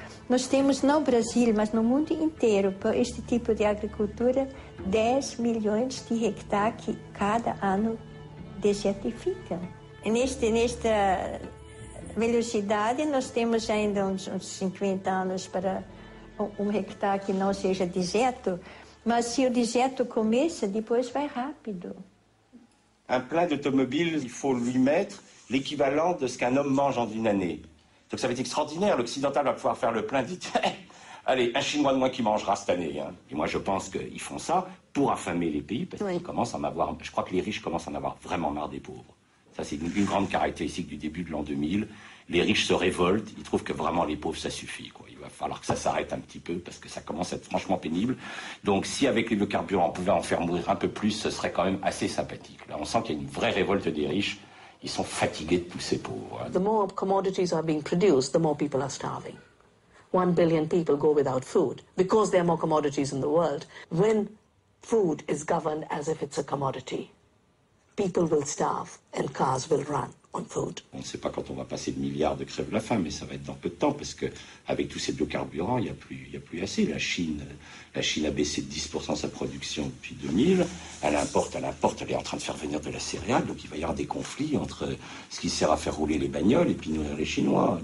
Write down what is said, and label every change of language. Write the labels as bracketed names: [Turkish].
[Portuguese] Nós temos no Brasil, mas no mundo inteiro, por este tipo de agricultura, 10 milhões de hectares que cada ano desertificam. E nesta velocidade, nós temos ainda uns 50 anos para um hectare que não seja deserto, mas se o deserto começa, depois vai rápido. [French] Um plein d'automobile, il faut lui mettre l'équivalent de ce qu'un homme mange en une année. Donc ça va être extraordinaire, l'occidental va pouvoir faire le plein vite. Allez, un chinois de moins qui mangera cette année. Hein. Et moi je pense qu'ils font ça pour affamer les pays, parce qu'ils commencent à en avoir, je crois que les riches commencent à en avoir vraiment marre des pauvres. Ça, c'est une grande caractéristique du début de l'an 2000. Les riches se révoltent, ils trouvent que vraiment les pauvres, ça suffit. Quoi. Il va falloir que ça s'arrête un petit peu parce que ça commence à être franchement pénible. Donc si avec les biocarburants, on pouvait en faire mourir un peu plus, ce serait quand même assez sympathique. Là, on sent qu'il y a une vraie révolte des riches. Ils sont fatigués de tous ces pauvres. [English] The more commodities are being produced, the more people are starving. 1 billion people go without food because there are more commodities in the world. When food is governed as if it's a commodity, people will starve and cars will run on food. [French] On ne sait pas quand on va passer le milliard de crèves la faim, mais ça va être dans peu de temps parce que avec tous ces biocarburants, il y a plus assez. La Chine a baissé de 10% sa production depuis 2000. Elle importe, elle est en train de faire venir de la céréale, donc il va y avoir des conflits entre ce qui sert à faire rouler les bagnoles et puis nourrir les Chinois.